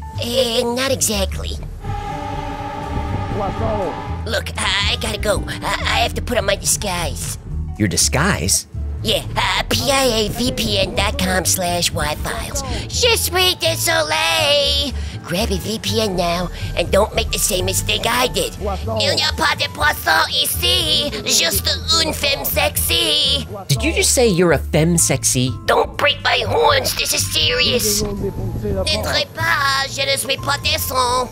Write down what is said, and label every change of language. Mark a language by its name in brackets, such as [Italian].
[English] Not exactly. Look, I gotta go. I have to put on my disguise. Your disguise? Yeah, piavpn.com/Y-Files. [French] Je suis désolé! [English] Grab a VPN now and don't make the same mistake I did. [French] Il n'y a pas de poisson ici, juste une femme sexy. [English] Did you just say you're a [French] femme sexy? [English] Don't break my horns, this is serious. [French] N'entrez pas, je ne suis pas des sons.